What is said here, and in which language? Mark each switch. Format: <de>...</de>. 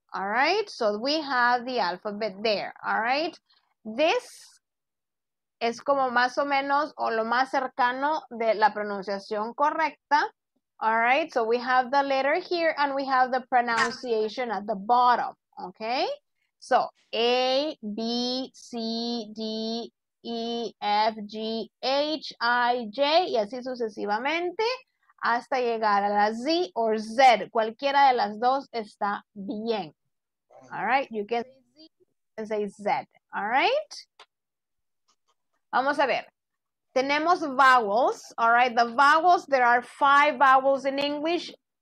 <en>All right, so we have the alphabet there. All right, this</en> <es>es como más o menos o lo más cercano de la pronunciación correcta.</es> <en>All right, so we have the letter here and we have the pronunciation at the bottom. Okay, so</en> <es>A, B, C, D, E, F, G, H, I, J, y así sucesivamente, hasta llegar a la Z o Z. Cualquiera de las dos está bien.</es> <en>All right, you can say Z, you can say Z. All right.</en> <es>Vamos a ver. Tenemos</es> <en>vowels. All right, the vowels, there are five vowels in English.</en>